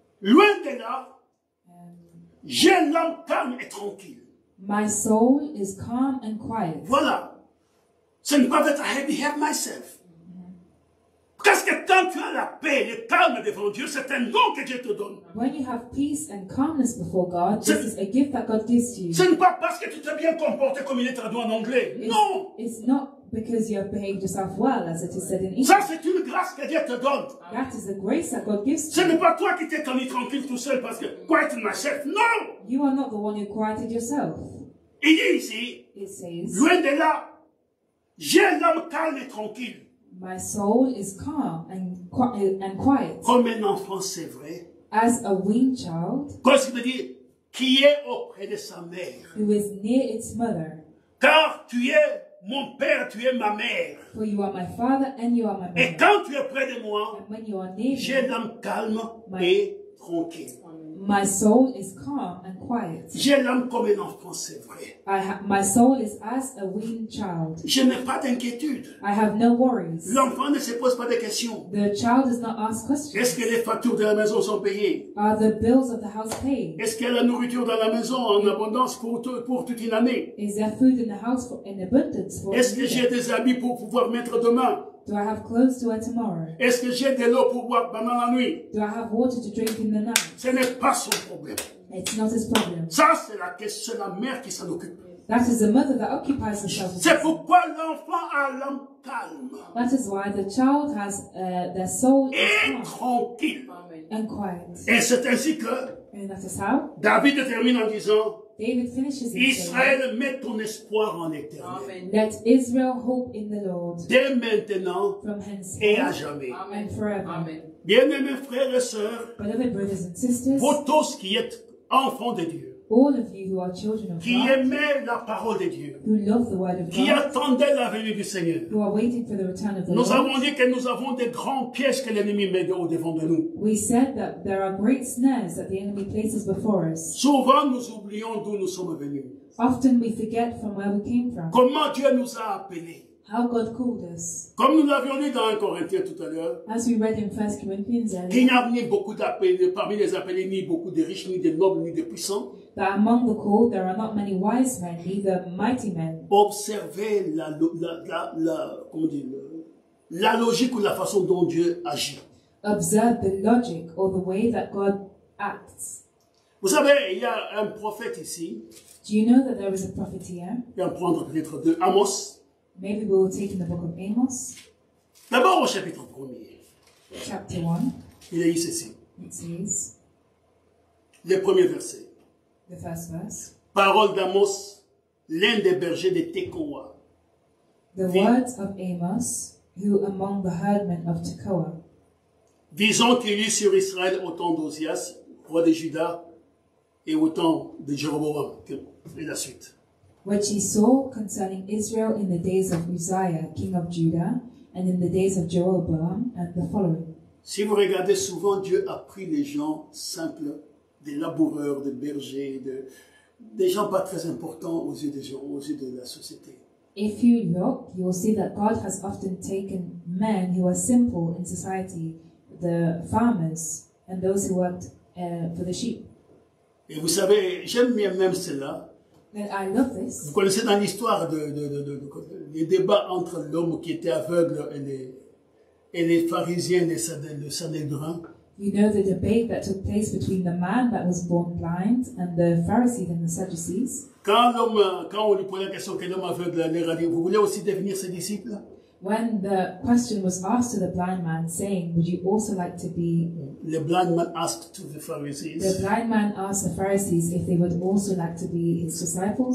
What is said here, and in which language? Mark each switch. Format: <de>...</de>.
<fr>Loin de là, j'ai l'âme calme et tranquille.</fr> <en>My soul is calm and quiet.</en> <fr>Voilà. Ce n'est pas d'être «</fr> <en>I have behaved myself mm-hmm. ».</en> <fr>Qu'est-ce que tant tu as la paix, le calme devant Dieu, c'est un don que Dieu te donne.</fr> <en>When you have peace and calmness before God, this is a gift that God gives you.</en> <fr>Ce n'est pas parce que tu t'es bien comporté comme il est traduit en anglais. Non.</fr> <en>It's not because you have behaved yourself well, as it is said in English.</en> <fr>Ça, c'est une grâce que Dieu te donne.</fr> <en>That is a grace that God gives to</en> <fr>you. Ce n'est pas toi qui t'es tenu tranquille tout seul parce que «</fr> <en>quiet myself</en> <fr>». Non.</fr> <en>You are not the one who quieted yourself.</en> <fr>Il dit ici,</fr> <en>it says,</en> <fr>loin de là, j'ai l'âme calme et tranquille.</fr> <en>My soul is calm and quiet.</en> <fr>Comme un enfant, c'est vrai.</fr> <en>As a weaned child.</en> <fr>Qu'est-ce qu'il veut dire? Qui est auprès de sa mère.</fr> <en>Who is near its mother.</en> <fr>Car tu es mon père, tu es ma mère.</fr> <en>For you are my father and you are my mother.</en> <fr>Et quand tu es près de moi,</fr> <en>and when you are near</en> <fr>j'ai l'âme calme et tranquille.</fr> <en>My soul is calm and quiet.</en> <fr>J'ai l'âme comme un enfant, c'est vrai.</fr> <en>My soul is as a weaned child.</en> <fr>Je n'ai pas d'inquiétude.</fr> <en>I have no worries.</en> <fr>L'enfant ne se pose pas de questions.</fr> <en>The child does not ask questions.</en> <fr>Est-ce que les factures de la maison sont payées?</fr> <en>Are the bills of the house paid?</en> <fr>Est-ce qu'il y a la nourriture dans la maison en abondance pour toute une année?</fr> <en>Is there food in the house in abundance for?</en> <fr>Est-ce que j'ai des habits pour pouvoir mettre demain?</fr> <en>Do I have clothes to wear tomorrow?</en> <fr>Est-ce que j'ai de l'eau pour boire pendant la nuit?</fr> <en>Do I have water to drink in the night?</en> <fr>Ce n'est pas son problème.</fr> <en>It's not his problem.</en> <fr>Ça, c'est la question, c'est la mère qui s'en occupe.</fr> <en>That is the mother that occupies herself.</en> <fr>C'est pourquoi l'enfant a l'âme calme.</fr> <en>That is why the child has their soul</en> <fr>et tranquille.</fr> <en>And quiet.</en> <fr>Et c'est ainsi que</fr> <en>and that is how</en> <fr>David termine en disant,</fr> <en>David finishes</en> <fr>his Israël, met ton espoir en l'Éternel.</fr> <en>Let Israel hope in the Lord.</en> <fr>Dès maintenant</fr> <en>from hence</en> <fr>et à jamais.</fr> <en>Amen. Forever. Amen.</en> <fr>Bien-aimés frères et sœurs,</fr> <en>beloved brothers and sisters,</en> <fr>vous tous qui êtes enfants de Dieu,</fr> <en>all of you who are children of</en> <fr>qui</fr> <en>God,</en> <fr>aimez la parole de Dieu,</fr> <en>who love the word of</en> <fr>qui</fr> <en>God,</en> <fr>attendez la venue du Seigneur,</fr> <en>who are waiting for the return of the</en> <fr>nous</fr> <en>Lord,</en> <fr>avons dit que nous avons des grands pièges que l'ennemi met au devant de nous.</fr> <en>We said that there are great snares that the enemy places before us.</en> <fr>Souvent nous oublions d'où nous sommes venus.</fr> <en>Often we forget from where we came from.</en> <fr>Comment Dieu nous a appelés.</fr> <en>How God called us.</en> <fr>Comme nous l'avions dit dans 1 Corinthiens tout à l'heure,</fr> <en>as we read in 1 Corinthians earlier,</en> <fr>qu'il n'y a ni beaucoup d'appelés parmi les appelés, ni beaucoup de riches, ni de nobles, ni de puissants.</fr> <en>That among the called there are not many wise men, neither mighty men.</en> <fr>Observez la logique ou la façon dont Dieu agit.</fr> <en>Observe the logic or the way that God acts.</en> <fr>Vous savez, il y a un prophète ici.</fr> <en>Do you know that there is a prophet here?</en> <fr>Et on prendra peut-être deux. Amos.</fr> <en>Maybe we will take in the book of Amos.</en> <fr>D'abord au chapitre premier.</fr> <en>Chapter 1.</en> <fr>Il est ici.</fr> <en>It says.</en> <fr>Le premier verset.</fr> <en>The first verse.</en> <fr>Parole d'Amos, l'un des bergers de Tekoa.</fr> <en>The words of Amos, who among the herdmen of Tekoa.</en> <fr>Disons qu'il eut sur Israël au temps d'Ozias, roi de Juda, et au temps de Jéroboam, et la suite.</fr> <en>Which he saw concerning Israel in the days of Uzziah, king of Judah, and in the days of Jeroboam, and the following.</en> <fr>Si vous regardez souvent, Dieu a pris les gens simples, des laboureurs, des bergers, des gens pas très importants aux yeux des gens, aux yeux de la société.</fr> <en>If you look, you'll see that God has often taken men who are simple in society, the farmers and those who worked for the sheep.</en> <fr>Et vous savez, j'aime bien même cela.</fr> <en>And I love this.</en> <fr>Vous connaissez dans l'histoire de les débats entre l'homme qui était aveugle et les pharisiens et le Sanhédrin.</fr> <en>You know the debate that took place between the man that was born blind and the Pharisees and the Sadducees.</en> <fr>Quand on lui posait la question que l'homme aveugle allait aller, vous voulez aussi devenir ses disciples?</fr> <en>When the question was asked to the blind man, saying, "Would you also like to be?" The blind man asked to the Pharisees. The blind man asked the Pharisees if they would also like to be his disciples.</en>